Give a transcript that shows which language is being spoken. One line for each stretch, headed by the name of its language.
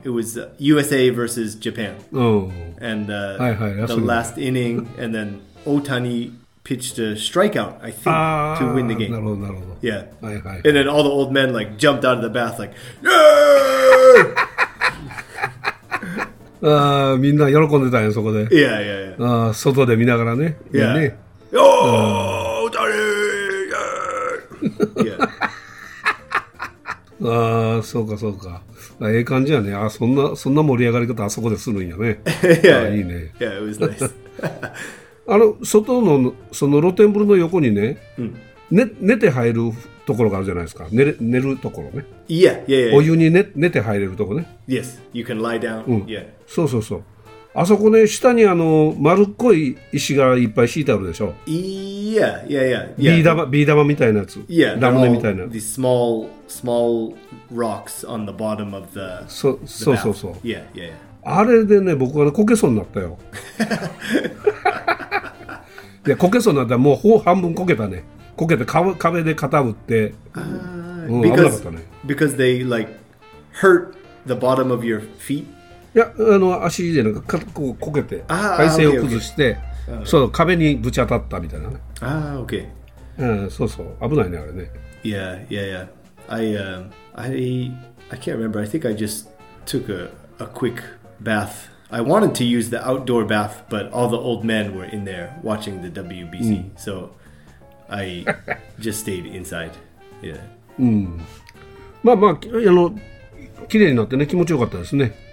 English: It was USA versus Japan, and the last inning, and then Otani pitched a strikeout, I think, to win the game.
Japanese: なるほど、なるほど。
English: Yeah. And then all the old men like jumped out of the bath like, yeah!
Japanese: みんな喜んでたよ、そこで。
English: Yeah, yeah, yeah.
Japanese: 外で見ながらね。
English: Yeah.
Japanese: ね。よー、打たれー、Yeah. ああ、そうか、そうか。ええ感じやね。あ、そんな、そんな盛り上がり方あそこでするんやね。
English: Yeah,
Japanese: いいね。
English: Yeah, it was nice.
Japanese: あの外のその露天風呂の横にね、寝て入るところがあるじゃないですか。寝るところね。
English: Yeah.
Japanese: お湯に寝て入れるところね。
English: Yes, you can lie down. Yeah.
Japanese: そうそうそう。あそこね、下にあの丸っこい石がいっぱい敷いてあるでしょ。
English: Yeah.
Japanese: ビー玉みたいなやつ。
English: Yeah.
Japanese: ラムネみたいな。
English: The small rocks on the bottom of the
Japanese: bath. そうそうそう。
English: Yeah.
Japanese: あれでね、僕はね、こけそうになったよ。いや、こけそうになったらもうほぼ半分こけたね。こけて壁で肩打って、危なかったね。
English: Because they like hurt the bottom of your feet?
Japanese: いや、あの足でなんかこうこけて、体勢を崩して、
English: okay.
Japanese: そう、壁にぶち当たったみたいなね。ああ、OK。うん、そうそう、危ないね、あれね。
English: I can't remember. I think I just took a quick bath. I wanted to use the outdoor bath, but all the old men were in there watching the WBC.、So I just stayed inside. Yeah.
Japanese: まあまあ、あの、綺麗になってね、気持ちよかったですね。